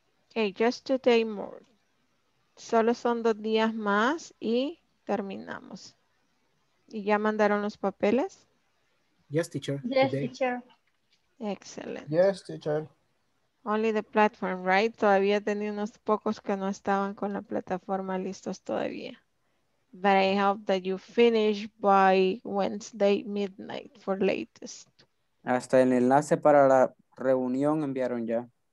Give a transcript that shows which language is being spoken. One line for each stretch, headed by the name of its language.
Spanish: Okay,
English: just today more.
Spanish: Solo son dos días más y terminamos. ¿Y ya mandaron los papeles?
English: Yes, teacher. Yes, today. Teacher. Excellent. Yes, teacher. Only the platform, right?
Spanish: Todavía tenía unos pocos que no estaban con la plataforma listos todavía.
English: But I hope that you finish by Wednesday midnight for latest.
Spanish: Hasta el enlace para la reunión enviaron ya.